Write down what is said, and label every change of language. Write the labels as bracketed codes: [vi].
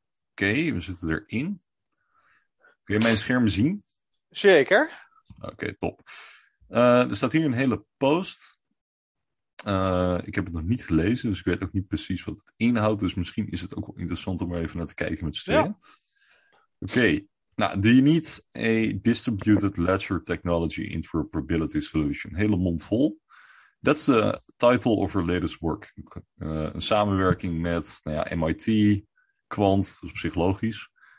[nl] Oké, we zitten erin. Kun je mijn scherm zien? Zeker. Oké, top. Er staat hier een hele post. Ik heb het nog niet gelezen, dus ik weet ook niet precies wat het inhoudt. Dus misschien is het ook wel interessant om er even naar te kijken met z'n tweeën. [en] Do you need a distributed ledger technology interoperability solution? [nl] Hele mond vol. [en] That's the title of her latest work. [nl] Een samenwerking met MIT, Quant, dat is op zich logisch.